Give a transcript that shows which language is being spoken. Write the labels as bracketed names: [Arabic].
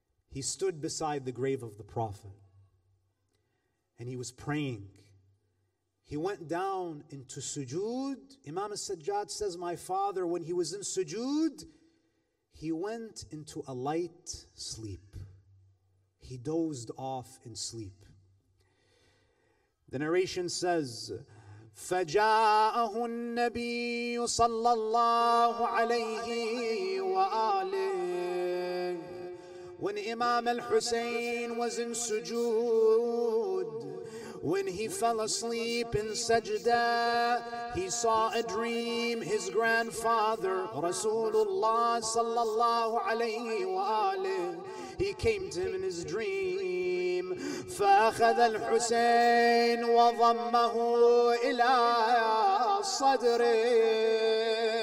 [English] He stood beside the grave of the Prophet and he was praying. He went down into sujood. Imam al-Sajjad says, my father, when he was in sujood, he went into a light sleep. He dozed off in sleep. The narration says, [Arabic] فجاءه النبي صلى الله عليه وآله. [English] When Imam al-Hussein was in sujood, when he fell asleep in sajda, he saw a dream, his grandfather Rasulullah [Arabic] صلى الله عليه وآله. [English] He came to him in his dream. [Arabic] فأخذ الحسين وضمه إلى صدره.